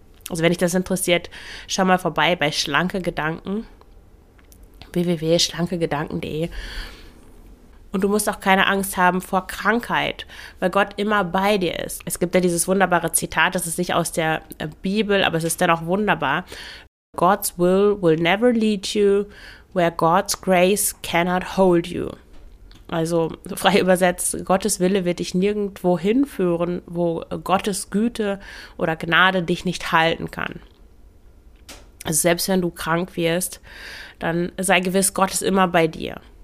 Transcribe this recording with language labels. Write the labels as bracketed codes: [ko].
[de] Also wenn dich das interessiert, schau mal vorbei bei Schlanke Gedanken, www.schlankegedanken.de. Und du musst auch keine Angst haben vor Krankheit, weil Gott immer bei dir ist. Es gibt ja dieses wunderbare Zitat, das ist nicht aus der Bibel, aber es ist dennoch wunderbar. [en] God's will never lead you where God's grace cannot hold you. [de] Also frei übersetzt, Gottes Wille wird dich nirgendwo hinführen, wo Gottes Güte oder Gnade dich nicht halten kann. Also selbst wenn du krank wirst, dann sei gewiss, Gott ist immer bei dir.